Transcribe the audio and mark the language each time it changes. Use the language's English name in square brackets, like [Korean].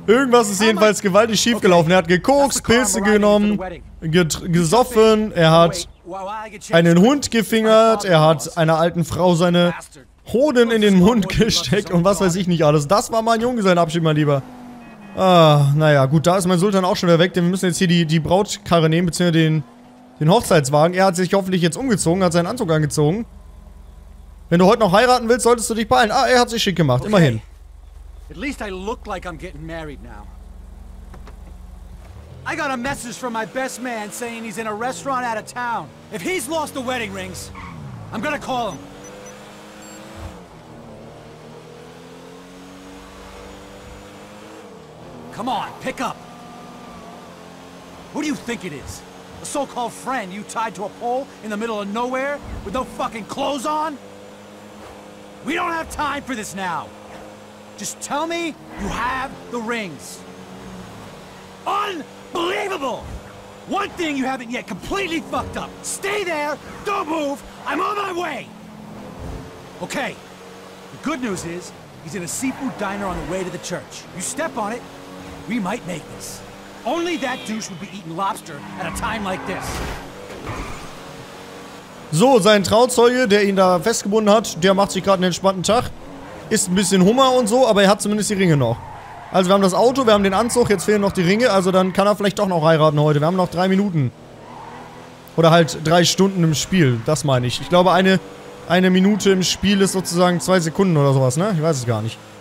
[German] Irgendwas ist jedenfalls gewaltig schief gelaufen. Er hat gekokst, Pilze genommen, gesoffen, er hat einen Hund gefingert, er hat einer alten Frau seine Hoden in den Mund gesteckt und was weiß ich nicht alles. Das war mal ein Junggesellenabschied, mein Lieber. Ah, naja, gut, da ist mein Sultan auch schon wieder weg, denn wir müssen jetzt hier die Brautkarre nehmen, beziehungsweise den Hochzeitswagen. Er hat sich hoffentlich jetzt umgezogen, hat seinen Anzug angezogen. Wenn du heute noch heiraten willst, solltest du dich beeilen. Ah, er hat sich schick gemacht, immerhin. [English] At least I look like I'm getting married now. I got a message from my best man saying he's in a restaurant out of town. If he's lost the wedding rings, I'm gonna call him. Come on, pick up. Who do you think it is? A so-called friend you tied to a pole in the middle of nowhere with no fucking clothes on? We don't have time for this now. Just tell me you have the rings. Unbelievable! One thing you haven't yet completely fucked up. Stay there, don't move, I'm on my way! Okay, the good news is, he's in a seafood diner on the way to the church. You step on it, we might make this. Only that douche would be eating lobster at a time like this. [German] So, sein Trauzeuge, der ihn da festgebunden hat, der macht sich gerade einen entspannten Tag. Ist ein bisschen Hummer und so, aber er hat zumindest die Ringe noch. Also wir haben das Auto, wir haben den Anzug, jetzt fehlen noch die Ringe, also dann kann er vielleicht doch noch heiraten heute. Wir haben noch 3 Minuten. Oder halt 3 Stunden im Spiel, das meine ich. Ich glaube eine Minute im Spiel ist sozusagen 2 Sekunden oder sowas, ne? Ich weiß es gar nicht.